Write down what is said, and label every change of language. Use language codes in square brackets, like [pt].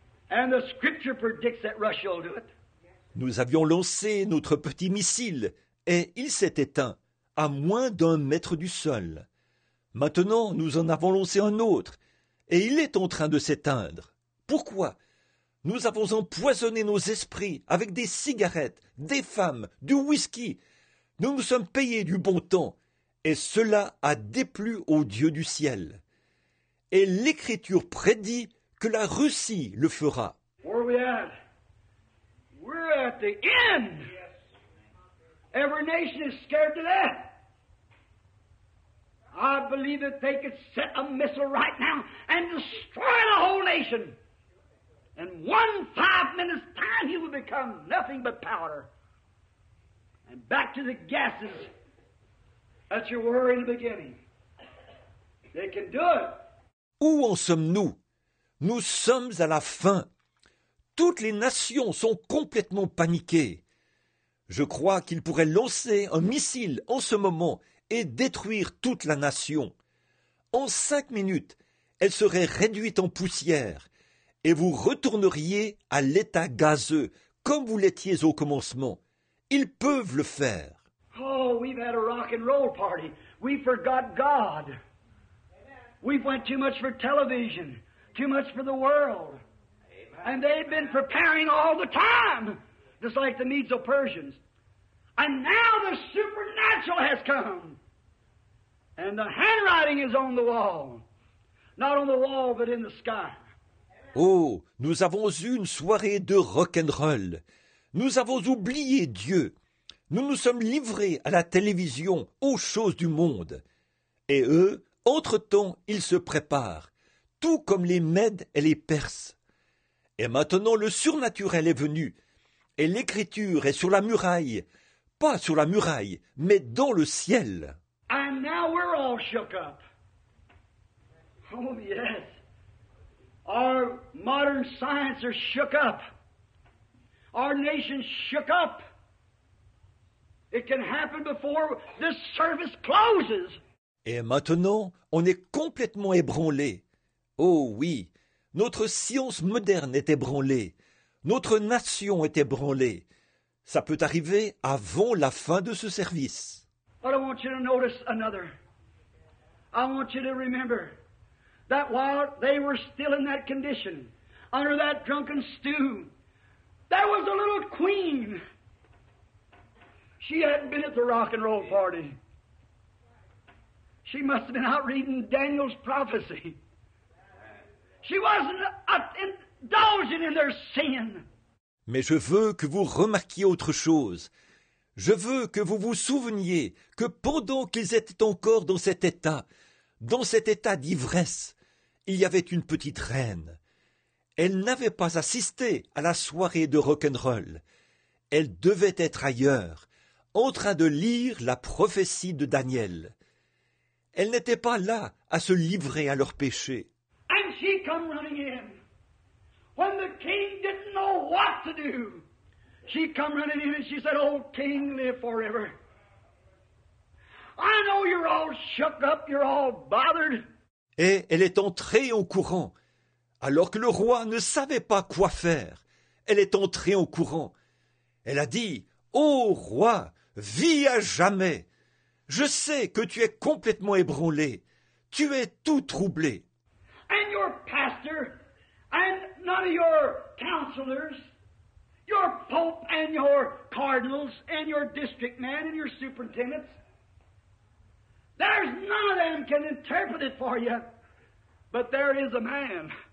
[en] And the scripture predicts that Russia will do it. [fr] Nous avions lancé notre petit missile et il s'est éteint à moins d'un mètre du sol. Maintenant, nous en avons lancé un autre et il est en train de s'éteindre. Pourquoi? Nous avons empoisonné nos esprits avec des cigarettes, des femmes, du whisky. Nous nous sommes payés du bon temps et cela a déplu au Dieu du ciel. Et l'Écriture prédit que la Russie le fera. [en] Where are we at? We're at the end. Every nation is scared to death. I believe that they could set a missile right now and destroy the whole nation. In 1 5-minute time, he would become nothing but powder. And back to the gases that you were in the beginning. They can do it. [fr] Où en sommes-nous? Nous sommes à la fin. Toutes les nations sont complètement paniquées. Je crois qu'il pourrait lancer un missile en ce moment et détruire toute la nation. En 5 minutes, elle serait réduite en poussière et vous retourneriez à l'état gazeux comme vous l'étiez au commencement. Ils peuvent le faire. [en] Oh, we've had a rock and roll party. We forgot God. We went too much for television, too much for the world. And they've been preparing all the time, just like the Medo-Persians. And now the supernatural has come. And the handwriting is on the wall. Not on the wall, but in the sky. [fr] Oh, nous avons eu une soirée de rock'n'roll. Nous avons oublié Dieu. Nous nous sommes livrés à la télévision, aux choses du monde. Et eux, entre-temps, ils se préparent, tout comme les Mèdes et les Perses. Et maintenant, le surnaturel est venu, et l'Écriture est sur la muraille, pas sur la muraille, mais dans le ciel. [en] And now we're all shook up. Oh yes. Our modern science are shook up. Our nation shook up. It can happen before this service closes. [fr] Et maintenant, on est complètement ébranlé. Oh oui. Notre science moderne est ébranlée. Notre nation est ébranlée. Ça peut arriver avant la fin de ce service. [en] But I want you to notice another. I want you to remember that while they were still in that condition, under that drunken stew, there was a little queen. She hadn't been at the rock and roll party. She must have been out reading Daniel's prophecy. She wasn't indulging in their sin. [fr] Mais je veux que vous remarquiez autre chose. Je veux que vous vous souveniez que pendant qu'ils étaient encore dans cet état d'ivresse, il y avait une petite reine. Elle n'avait pas assisté à la soirée de rock'n'roll. Elle devait être ailleurs, en train de lire la prophétie de Daniel. Elle n'était pas là à se livrer à leurs péchés. [en] She come running in. When the king didn't know what to do, she come running in and she said, "Oh, king, live forever. I know you're all shook up, you're all bothered." [fr] Et elle est entrée en courant, alors que le roi ne savait pas quoi faire. Elle est entrée en courant. Elle a dit, "Oh, roi, vis à jamais. Je sais que tu es complètement ébranlé. Tu es tout troublé. [en] And your pastor, and none of your counselors, your pope and your cardinals, and your district men and your superintendents, there's none of them can interpret it for you, but there is a man.